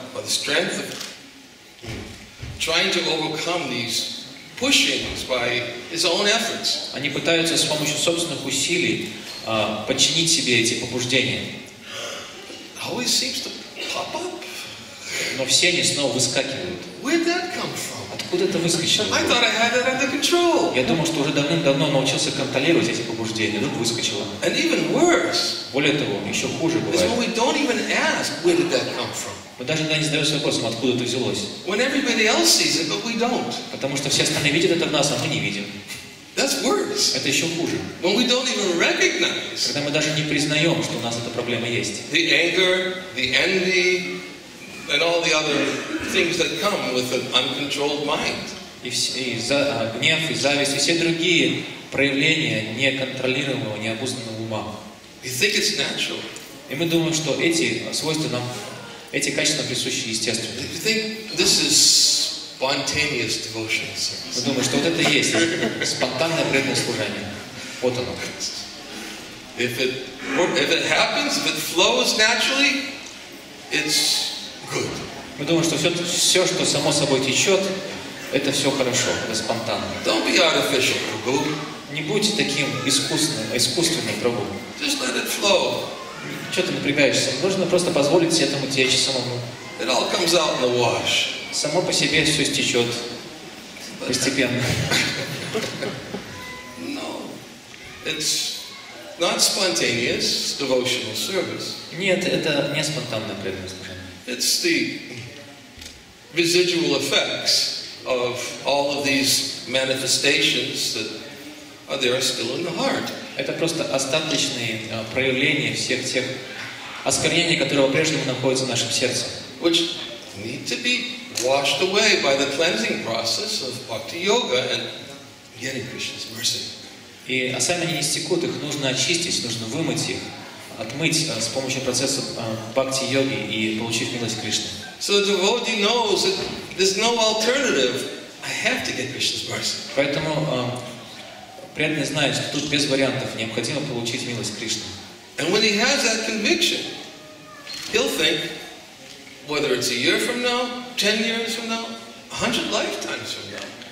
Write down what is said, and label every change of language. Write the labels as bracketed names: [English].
[English] On the strength of trying to overcome these pushings by his own efforts. [Russian] Они пытаются с помощью собственных усилий подчинить себе эти побуждения. [English] Always seems to pop up. [Russian] Но все они снова выскакивают. [English] Where did that come from? [Russian] Откуда это выскочило? [English] I thought I had it under control. [Russian] Я думал, что уже давным-давно научился контролировать эти побуждения, но выскочило. [English] And even worse. [Russian] Более того, еще хуже бывает. [English] Is when we don't even ask, where did that come from? [Russian] Мы даже иногда не задаемся вопросом, откуда это взялось. [English] When everybody else sees it, but we don't. [Russian] Потому что все остальные видят это в нас, а мы не видим. [English] That's worse. [Russian] Это еще хуже. [English] When we don't even recognize. [Russian] Когда мы даже не признаем, что у нас эта проблема есть. [English] The anger, the envy, and all the other things that come with an uncontrolled mind. [Russian] Гнев и зависть и все другие проявления неконтролируемого, необузданного ума. [English] We think it's natural. [Russian] И мы думаем, что эти свойства нам, эти качества присущи естественно. [English] You think this is spontaneous devotional service? [Russian] Мы думаем, что вот это есть спонтанное преданное служение. Вот оно. [English] If it happens, if it flows naturally, it's good. [Russian] Мы думаем, что все, что само собой течет, это все хорошо, это спонтанно. [English] Don't be artificial, Prabhu. [Russian] Не будьте таким искусственным, Прабху. [English] Just let it flow. [Russian] Чего ты напрягаешься? Нужно просто позволить себе этому течь самому. [English] It all comes out in the wash. [Russian] Само по себе все стечет. Постепенно. [English] No. It's not spontaneous devotional service. [Russian] Нет, это не спонтанное преданное служение. [English] It's the residual effects of all of these manifestations that are there still in the heart. [Russian] Это просто остаточные проявления всех тех оскорнений, которые по-прежнему находятся в нашем сердце. [English] Which need to be washed away by the cleansing process of bhakti yoga and getting Krishna's mercy. [Russian] И сами они не стекут, их нужно очистить, нужно вымыть их, отмыть с помощью процесса бхакти йоги и получить милость Кришны. [English] So the devotee knows that there's no alternative. I have to get Krishna's mercy. [Russian] Поэтому преданный знает, что тут без вариантов необходимо получить милость Кришны. [English] And when he has that conviction, he'll think, whether it's a year from now, 10 years from now, 100 lifetimes from now.